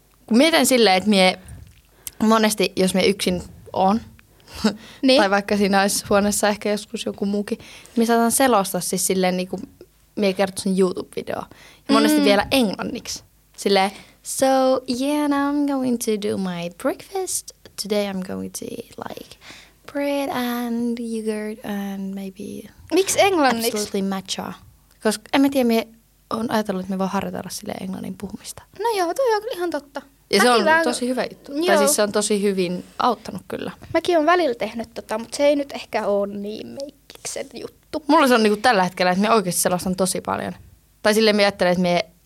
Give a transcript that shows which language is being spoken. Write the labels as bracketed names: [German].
[Finnish] Mietin silleen, että mie... Monesti, jos mie yksin on. Niin. Tai vaikka siinä olisi huoneessa ehkä joskus joku muukin. Mie saatan selostaa siis silleen niinku... Mie kertoo sen YouTube-video. Ja monesti vielä englanniksi. Silleen... [English] So, yeah, now I'm going to do my breakfast. Today I'm going to eat, like, bread and yogurt and maybe... [Finnish] Miksi englanniksi? [English] Absolutely matcha. [Finnish] Koska en mä tiedä, mie on ajatellut, että me voi harjoitella silleen englannin puhumista. No joo, toi on ihan totta. Ja se on vähän... tosi hyvä juttu. Joo. Tai siis se on tosi hyvin auttanut kyllä. Mäkin olen välillä tehnyt tota, mutta se ei nyt ehkä ole niin meikkiksen juttu. Mulla se on niinku tällä hetkellä, että mie oikeasti selostan tosi paljon. Tai silleen mie ajattelen, että mie...